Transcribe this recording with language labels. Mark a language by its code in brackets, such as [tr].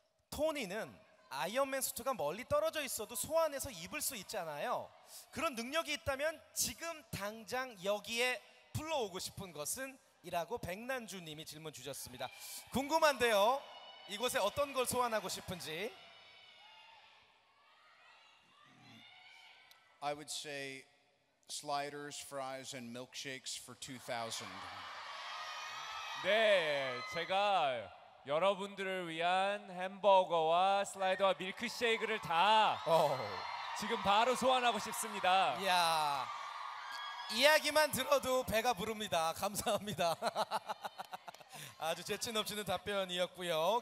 [ko] 토니는 아이언맨 수트가 멀리 떨어져 있어도 소환해서 입을 수 있잖아요. 그런 능력이 있다면 지금 당장 여기에 불러오고 싶은 것은? 이라고 백난주님이 질문 주셨습니다. 궁금한데요, 이곳에 어떤 걸 소환하고 싶은지. [en] I would say sliders, fries, and milkshakes for 2,000. [ko] 네, 제가 여러분들을 위한 햄버거와 슬라이더와 밀크쉐이크를 다 지금 바로 소환하고 싶습니다. 이야, 이야기만 들어도 배가 부릅니다. 감사합니다. 아주 재치 넘치는 답변이었고요.